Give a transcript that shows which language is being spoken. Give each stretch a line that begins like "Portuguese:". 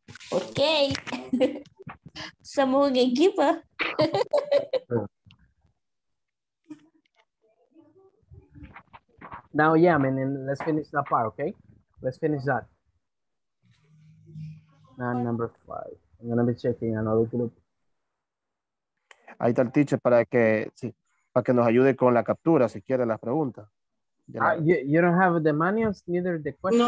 Spanish: Ok. Somos un equipo.
English: Now, yeah, man, and let's finish that part, okay? Let's finish that. Now, number 5. I'm going to be checking another group.
Spanish: Ahí está el teacher para que sí, para que nos ayude con la captura si quiere las preguntas.
English: You don't have the manuals neither the questions.